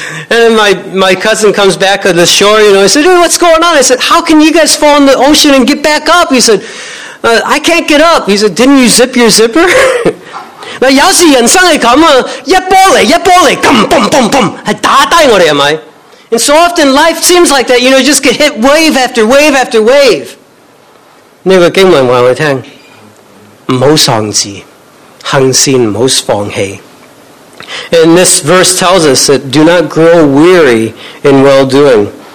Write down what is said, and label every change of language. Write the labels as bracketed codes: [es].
[en] And my cousin comes back on the shore, you know, he said, hey, what's going on? I said, how can you guys fall in the ocean and get back up? He said, I can't get up. He said, didn't you zip your zipper? [zh] 有时人生是这样，一波来，咚咚咚，是打低我们，是吧？ [en] And so often life seems like that, you know, just get hit wave after wave after wave. [zh] 这个经文告诉我们，不要丧志，行善不要放弃。 [en] And this verse tells us that do not grow weary in well-doing.